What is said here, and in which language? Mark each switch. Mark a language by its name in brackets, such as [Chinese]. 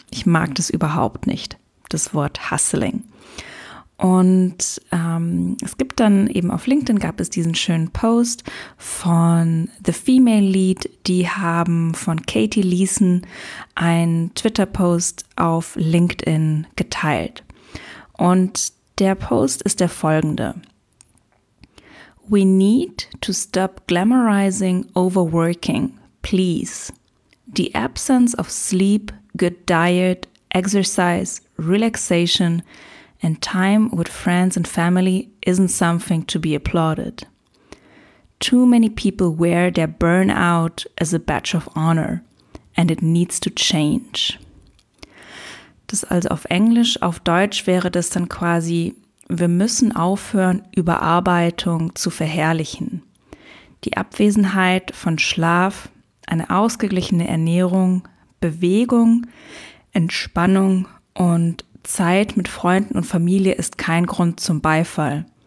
[German] Ich mag das überhaupt nicht, das Wort Hustling. Und es gibt dann eben auf LinkedIn gab es diesen schönen Post von The Female Lead. Die haben von Katie Leeson einen Twitter-Post auf LinkedIn geteilt. Und der Post ist der folgende. [English] We need to stop glamorizing overworking, please. The absence of sleep, good diet, exercise, relaxation and time with friends and family isn't something to be applauded. Too many people wear their burnout as a badge of honor and it needs to change. [German] Das also auf Englisch, auf Deutsch wäre das dann quasi, wir müssen aufhören, Überarbeitung zu verherrlichen. Die Abwesenheit von Schlaf, eine ausgeglichene Ernährung, Bewegung, Entspannung und Zeit mit Freunden und Familie ist kein Grund zum Beifall.